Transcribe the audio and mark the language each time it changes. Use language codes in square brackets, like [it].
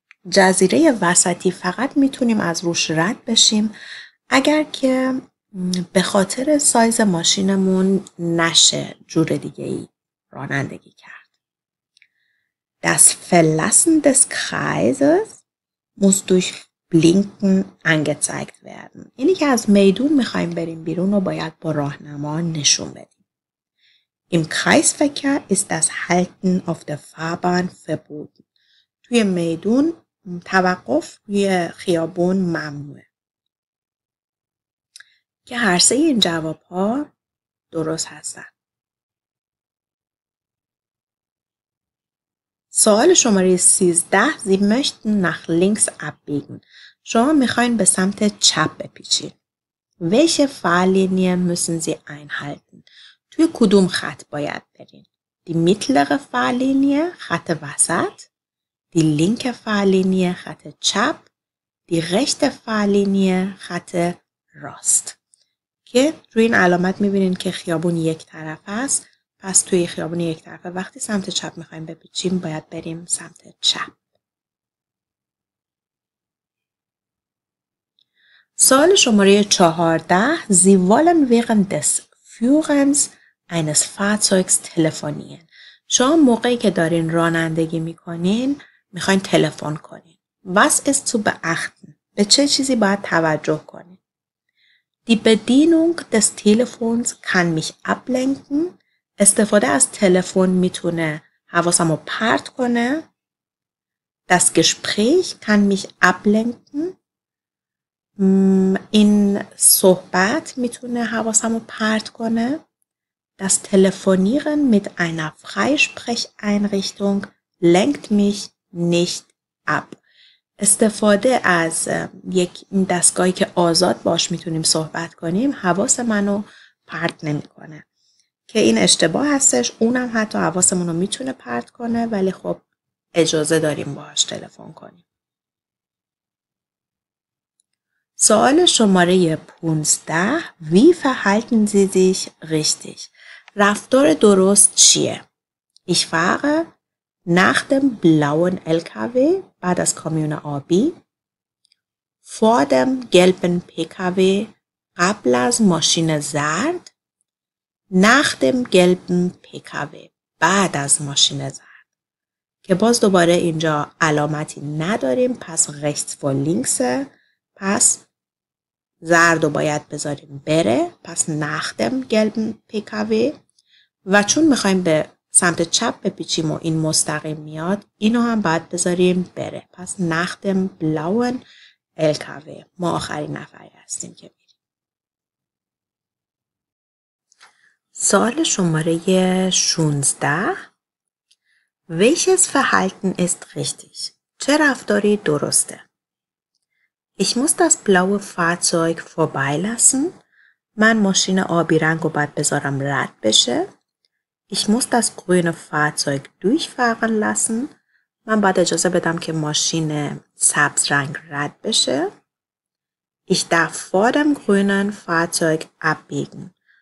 [fa] جزیره وسطی فقط میتونیم از روش رد بشیم اگر که به خاطر سایز ماشینمون نشه جور دیگه ای رانندگی کرد. [de] Das Verlassen des Kreises muss durch Blinken angezeigt werden. [fa] اینی که از میدون میخواییم بریم بیرون و باید با راهنما نشون بدیم. [de] Im Kreisverkehr ist das Halten auf der Fahrbahn verboten. [fa] توی میدون توقف روی خیابون ممنوعه. که هر سه این جواب ها درست هستن. سوال شماره 13. [de] Sie möchten nach links abbiegen. [fa] شما میخواین به سمت چپ بپیچین. [de] Welche Fahrlinie müssen Sie einhalten? [fa] توی کدوم خط باید برین؟ [de] Die mittlere Fahrlinie, [fa] خط وسط. [de] Die linke Fahrlinie, [fa] خط چپ. [de] Die rechte Fahrlinie, [fa] خط راست. که روی این علامت میبینین که خیابون یک طرف است. پس توی خیابون یک طرفه وقتی سمت چپ میخواییم بپیچیم باید بریم سمت چپ. سوال شماره 14. [de] Sie wollen während des Führens eines Fahrzeugs telefonieren. [fa] شما موقعی که دارین رانندگی میکنین میخواین تلفن کنین. [de] Was ist zu beachten? [fa] به چه چیزی باید توجه کنین؟ [de] Die Bedienung des Telefons kann mich ablenken. [fa] استفاده از تلفن میتونه حواسمو پرت کنه. [de] Das Gespräch kann mich ablenken. [fa] این صحبت میتونه حواسمو پرت کنه. [de] Das Telefonieren mit einer Freisprecheinrichtung lenkt mich nicht ab. [fa] استفاده از یک دستگاهی که آزاد باش میتونیم صحبت کنیم حواس منو پرت نمیکنه. که این اشتباه هستش، اونم حتی حواسمونو میتونه پرت کنه ولی خب اجازه داریم باهاش تلفن کنیم. سوال شماره 15. [de] Wie verhalten Sie sich richtig? [fa] رفتار درست چیه؟ [de] Ich fahre nach dem blauen LKW, war das Kommune Abi, vor dem gelben PKW, [fa] قبل از ماشین زرد, [de] nach dem gelben PKW, [fa] بعد از ماشین زرد. که باز دوباره اینجا علامتی نداریم, پس [de] rechts vor links, [fa] پس زرد رو باید بذاریم بره, پس [de] nach dem gelben PKW, [fa] و چون میخواییم به سمت چپ بپیچیم و این مستقیم میاد، اینو هم باید بذاریم بره. [de] پس nach dem blauen LKW. [fa] ما آخرین نفری هستیم که بریم. سوال شماره 16. [de] Welches Verhalten ist richtig? [fa] چه رفتاری درسته؟ [de] Ich muss das blaue Fahrzeug vorbeilassen. [fa] من ماشین آبی رنگ رو باید بذارم رد بشه. [de] Ich muss das grüne Fahrzeug durchfahren lassen. [fa] من باید اجازه بدم که ماشین سبز رنگ رد بشه. [de] Ich darf vor dem grünen Fahrzeug abbiegen.